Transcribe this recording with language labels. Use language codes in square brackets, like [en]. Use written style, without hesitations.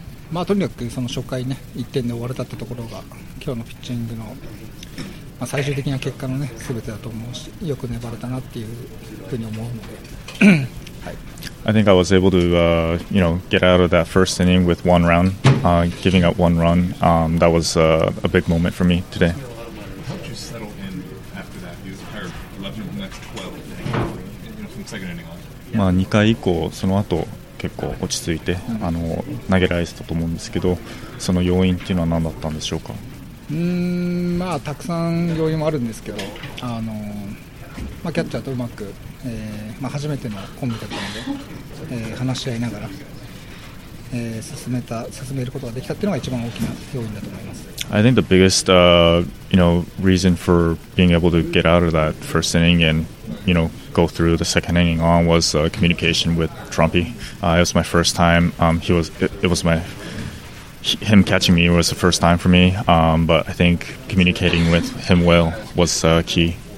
[ja] まあ、とにかくその初回ね、1点で終われたってところが今日のピッチングの、まあ、最終的な結果のね、全てだと思うし、よく粘れたなっていうふうに思うので [en] I think I was able to, you know, get out of that first inning with one run, giving up one run. That was a big moment for me today. How did you settle in after that? You were 11 in the next 12 from the second inning on. [ja] まあ2回以降その後結構落ち着いて投げられてたと思うんですけど、その要因っていうのは何だったんでしょうか？まあたくさん要因もあるんですけど、まあ、キャッチャーとうまく、まあ、初めてのコンビだったので、話し合いながら、進めることができたっていうのが一番大きな要因だと思います。 [en] I think the biggest you know, reason for being able to get out of that first inning and you know, go through the second inning on was communication with Trumpy. It was my first time. Him catching me was the first time for me. But I think communicating with him well was key.